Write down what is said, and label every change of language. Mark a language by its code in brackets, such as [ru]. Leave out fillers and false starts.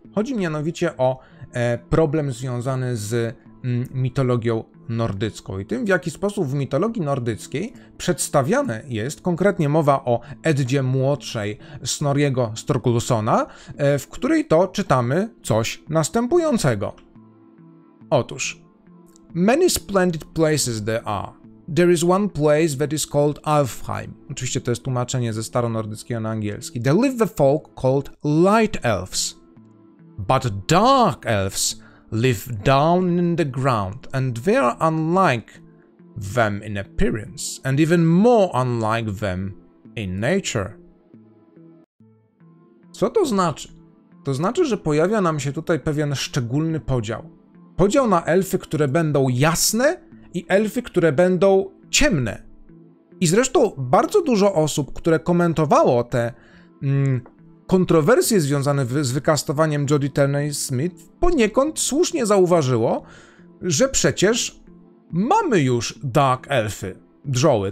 [pl] Chodzi mianowicie o problem związany z mitologią nordycką i tym, w jaki sposób w mitologii nordyckiej przedstawiane jest, konkretnie mowa o Eddzie młodszej Snorriego Sturlusona, w której to czytamy coś następującego. [en] Otóż, many splendid places there are. There is one place that is called Alfheim. [pl] Oczywiście to jest tłumaczenie ze staronordyckiego na angielski. [en] There live the folk called light elves. But dark elves live down in the ground, and they are unlike them in appearance, and even more unlike them in nature. [pl] Co to znaczy? To znaczy, że pojawia nam się tutaj pewien szczególny podział. Podział na elfy, które będą jasne i elfy, które będą ciemne. I zresztą bardzo dużo osób, które komentowało te kontrowersje związane z wykastowaniem Jodie Turner-Smith, poniekąd słusznie zauważyło, że przecież mamy już dark elfy, drzoły.